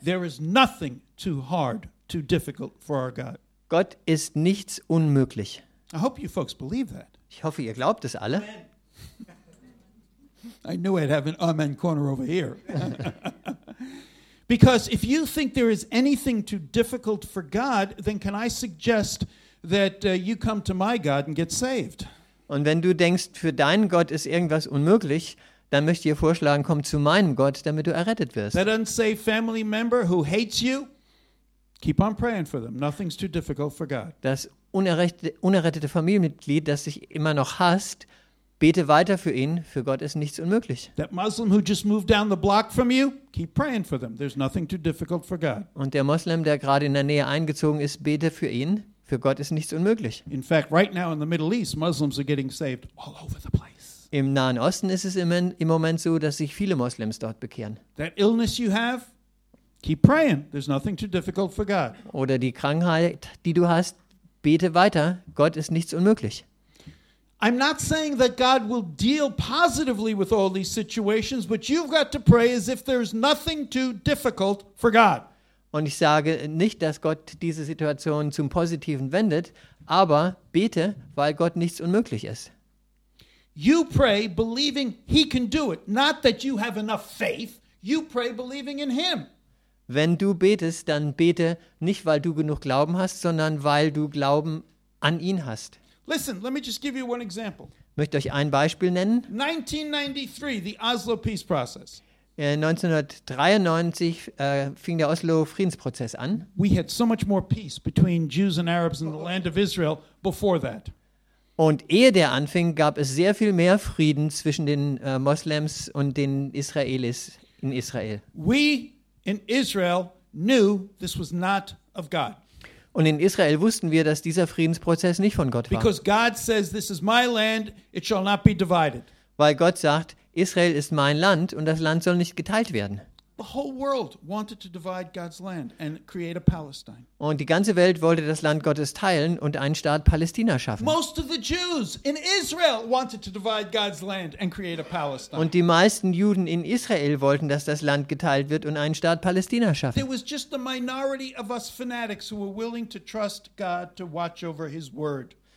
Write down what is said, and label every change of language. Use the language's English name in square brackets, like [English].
[English] There is nothing too hard, too difficult for our God. [German] Gott ist nichts unmöglich. [English] I hope you folks believe that. [German] Ich hoffe, ihr glaubt es alle. [English] I knew I'd have an amen corner over here. Because if you think there is anything too difficult for God, then can I suggest that you come to my God and get saved? [German] Und wenn du denkst, für deinen Gott ist irgendwas unmöglich, dann möchte ich dir vorschlagen, komm zu meinem Gott, damit du errettet wirst. [English] That unsafe family member who hates you, keep on praying for them. Nothing's too difficult for God. [German] Das unerrettete Familienmitglied, das dich immer noch hasst, bete weiter für ihn, für Gott ist nichts unmöglich. [English] That Muslim who just moved down the block from you, keep praying for them. There's nothing too difficult for God. [German] Und der Moslem, der gerade in der Nähe eingezogen ist, bete für ihn, für Gott ist nichts unmöglich. [English] In fact, right now in the Middle East, Muslims are getting saved all over the place. [German] Im Nahen Osten ist es im Moment so, dass sich viele Moslems dort bekehren. [English] That illness you have, keep praying. There's nothing too difficult for God. [German] Oder die Krankheit, die du hast, bete weiter, Gott ist nichts unmöglich. [English] I'm not saying that God will deal positively with all these situations, but you've got to pray as if there's nothing too difficult for God. [German] Und ich sage nicht, dass Gott diese Situation zum Positiven wendet, aber bete, weil Gott nichts unmöglich ist. [English] You pray believing he can do it, not that you have enough faith. You pray believing in him. [German] Wenn du betest, dann bete nicht, weil du genug Glauben hast, sondern weil du Glauben an ihn hast. [English] Listen, let me just give you one example. [German] Möchte euch ein Beispiel nennen. [English] 1993, the Oslo Peace Process. [German] 1993 fing der Oslo Friedensprozess an. [English] We had so much more peace between Jews and Arabs in the land of Israel before that. [German] Und ehe der anfing, gab es sehr viel mehr Frieden zwischen den Moslems und den Israelis in Israel. [English] We in Israel knew this was not of God. [German] Und in Israel wussten wir, dass dieser Friedensprozess nicht von Gott war. [English] Because God says, this is my land, it shall not be divided. [German] Weil Gott sagt, Israel ist mein Land und das Land soll nicht geteilt werden. [English] The whole world wanted to divide God's land and create a Palestine. [German] Und die ganze Welt wollte das Land Gottes teilen und einen Staat Palästina schaffen. [English] Most of the Jews in Israel wanted to divide God's land and create a Palestine. [German] Und die meisten Juden in Israel wollten, dass das Land geteilt wird und einen Staat Palästina schaffen. [English] There was just a minority of us fanatics who were willing to trust God to watch over his word.